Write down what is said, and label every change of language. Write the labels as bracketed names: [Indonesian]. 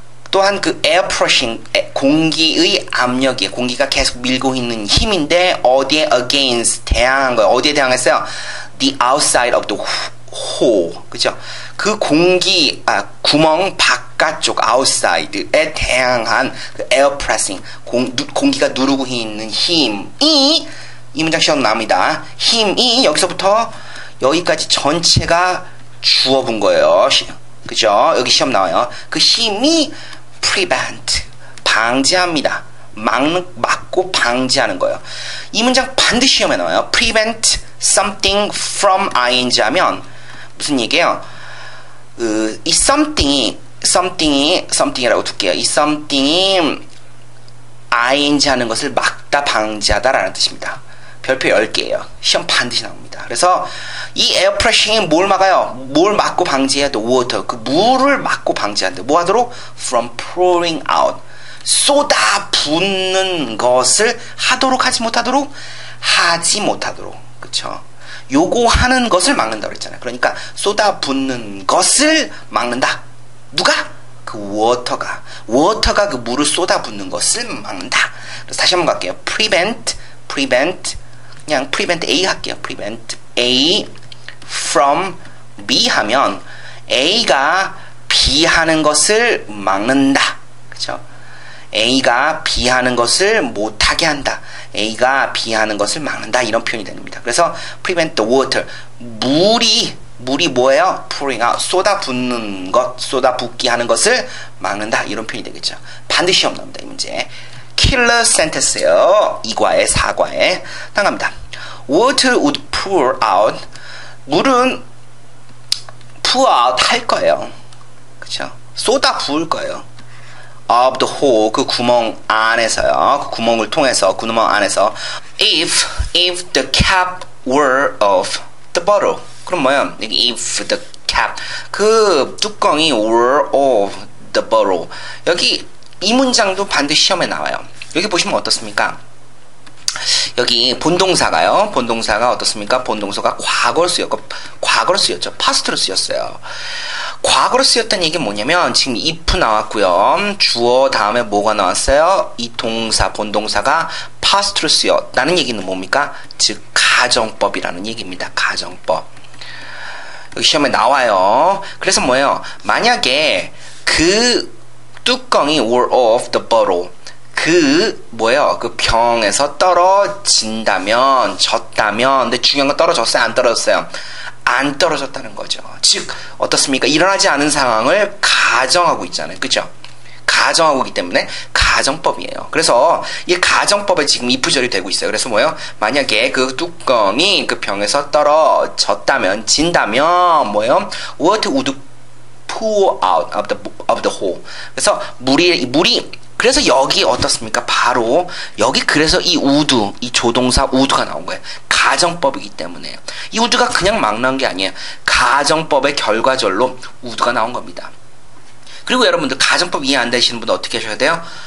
[Korean] 또한 그 에어프러싱, 공기의 압력이에요. 공기가 계속 밀고 있는 힘인데 어디에 against 대항한 거예요. 어디에 대항했어요? [English] The outside of the hole, 그죠? [Korean] 그 공기 구멍 바깥쪽 outside에 대항한 그 에어프러싱, 공기가 누르고 있는 힘이 이 문장 시험 나옵니다. 힘이 여기서부터 여기까지 전체가 주어본 거예요. 그죠? 여기 시험 나와요. 그 힘이 prevent, 방지합니다. 막고 방지하는 거예요. 이 문장 반드시 시험에 나와요. [English] prevent something from ing [Korean] 하면 무슨 얘기예요? 이 something이라고 둘게요. 이 something이 ing 하는 것을 막다 방지하다라는 뜻입니다. 별표 10개예요. 시험 반드시 나옵니다. 그래서 이 에어프레싱이 뭘 막아요? 뭘 막고 방지해야 돼? 워터. 그 물을 막고 방지한대. 뭐 하도록? [English] From pouring out. [Korean] 쏟아붓는 것을 하도록 하지 못하도록? 하지 못하도록. 그쵸? 요거 하는 것을 막는다고 했잖아요. 그러니까 쏟아붓는 것을 막는다. 누가? 그 워터가. 워터가 그 물을 쏟아붓는 것을 막는다. 그래서 다시 한번 갈게요. prevent. 그냥 prevent A 할게요. [English] prevent A from B [Korean] 하면 A가 B 하는 것을 막는다. 그죠? A가 B 하는 것을 못하게 한다. A가 B 하는 것을 막는다. 이런 표현이 됩니다. 그래서 [English] prevent the water. [Korean] 물이 뭐예요? [English] pouring out. [Korean] 쏟아붓는 것, 쏟아붓기 하는 것을 막는다. 이런 표현이 되겠죠. 반드시 시험 나옵니다. 이 문제. [English] killer sentence예요. [Korean] 이과의 사과에 당합니다. [English] Water would pour out. [Korean] 물은 [English] pour out [Korean] 할 거예요. 그렇죠? 쏟아 부을 거예요. [English] Of the hole [Korean] 그 구멍 안에서요. 그 구멍을 통해서 구멍 안에서 [English] if the cap were of the bottle. [Korean] 그럼 뭐야? [English] If the cap [Korean] 그 뚜껑이 [English] were of the bottle. [Korean] 여기 이 문장도 반드시 시험에 나와요. 여기 보시면 어떻습니까? 여기 본동사가요. 본동사가 어떻습니까? 본동사가 과거로 쓰였고 과거로 쓰였죠. 파스트로 쓰였어요. 과거로 쓰였다는 얘기 뭐냐면 지금 if 나왔고요. 주어 다음에 뭐가 나왔어요? 이 동사 본동사가 파스트로 쓰였다는 얘기는 뭡니까? 즉 가정법이라는 얘기입니다. 가정법. 여기 시험에 나와요. 그래서 뭐예요? 만약에 그 뚜껑이 [English] were off the bottle [Korean] 그 뭐예요? 그 병에서 떨어진다면 졌다면 근데 중요한 건 떨어졌어요? 안 떨어졌어요? 안 떨어졌다는 거죠. 즉 어떻습니까? 일어나지 않은 상황을 가정하고 있잖아요. 그죠? 가정하고 있기 때문에 가정법이에요. 그래서 이 가정법에 지금 이 부절이 되고 있어요. 그래서 뭐예요? 만약에 그 뚜껑이 그 병에서 떨어졌다면 진다면 뭐예요? [English] What would pour out of the hole. [Korean] 그래서 물이 그래서 여기 어떻습니까? 바로 여기 그래서 이 우드 이 조동사 우드가 나온 거예요. 가정법이기 때문에 이 우드가 그냥 막 나온 게 아니에요. 가정법의 결과절로 우드가 나온 겁니다. 그리고 여러분들 가정법 이해 안 되시는 분들 어떻게 하셔야 돼요?